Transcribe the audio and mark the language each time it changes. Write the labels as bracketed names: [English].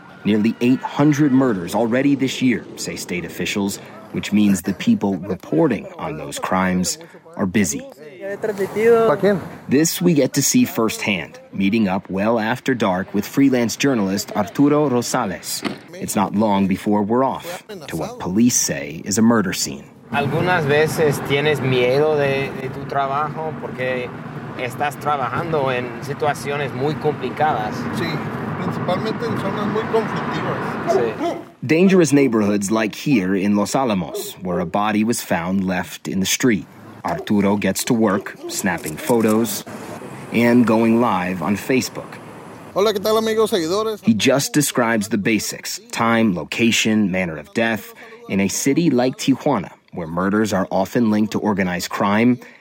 [English] Nearly 800 murders already this year, say state officials, which means the people reporting on those crimes are busy. This we get to see firsthand, meeting up well after dark with freelance journalist Arturo Rosales. It's not long before we're off to what police say is a murder scene. [Spanish] Algunas veces tienes miedo de tu trabajo porque estás trabajando en situaciones muy complicadas. Sí, principalmente en zonas muy conflictivas. Sí. [English] Dangerous neighborhoods like here in Los Alamos, where a body was found left in the street. Arturo gets to work, snapping photos and going live on Facebook. [Spanish] Hola, ¿qué tal, amigos, seguidores? [English] He just describes the basics, time, location, manner of death, in a city like Tijuana, where murders are often linked to organized crime.